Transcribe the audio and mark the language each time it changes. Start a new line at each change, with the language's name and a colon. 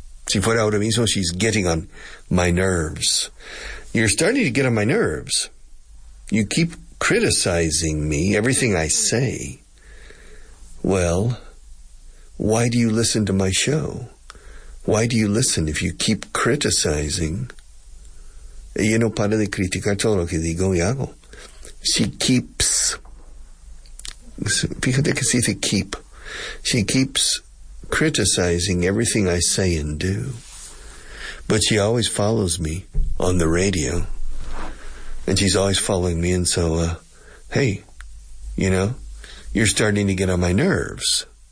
Spanish: Si fuera ahora mismo,
English: she's getting on my nerves. You're starting to get on my nerves. You keep criticizing me, everything I say. Well, why do you listen to my show? Why do you listen if you keep criticizing?
Spanish: Ella no para de criticar todo lo que digo y hago.
English: She keeps...
Spanish: Fíjate que se dice keep.
English: She keeps criticizing everything I say and do. But she always follows me on the radio. And she's always following me, and so, hey, you know, you're starting to get on my nerves.